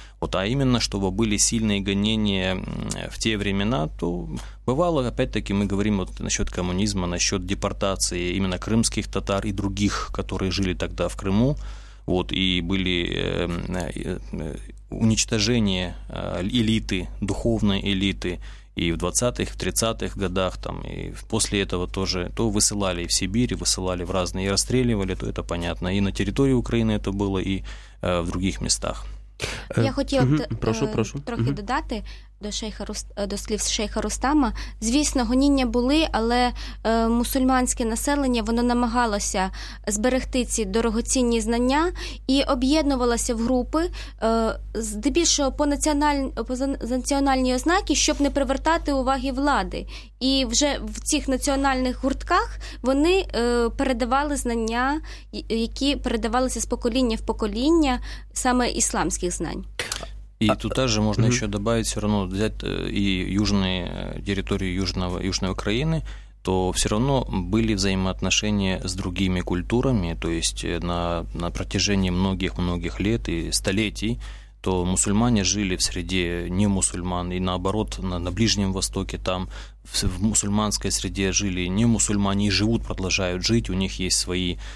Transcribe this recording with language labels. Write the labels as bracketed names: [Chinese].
[Russian] Вот, а именно, чтобы были сильные гонения в те времена, то бывало, опять-таки, мы говорим вот насчет коммунизма, насчет депортации именно крымских татар и других, которые жили тогда в Крыму, вот, и были уничтожение элиты, духовной элиты, и в 20-х, в 30-х годах, там, и после этого тоже, то высылали в Сибирь, высылали в разные, и расстреливали, то это понятно. И на территории Украины это было, и в других местах. [Ukrainian] Я хотіла трохи додати до шейха до слів шейха Рустама. Звісно, гоніння були, але мусульманське населення, воно намагалося зберегти ці дорогоцінні знання і об'єднувалося в групи, здебільшого по національній ознакі, щоб не привертати уваги влади. І вже в цих національних гуртках вони передавали знання, які передавалися з покоління в покоління, саме ісламських знань. [Russian] И туда же можно еще добавить, все равно взять и южные территории Южной Украины, то все равно были взаимоотношения с другими культурами, то есть на протяжении многих-многих лет и столетий, то мусульмане жили в среде немусульман, и наоборот, на Ближнем Востоке там в мусульманской среде жили немусульмане и живут, продолжают жить, у них есть свои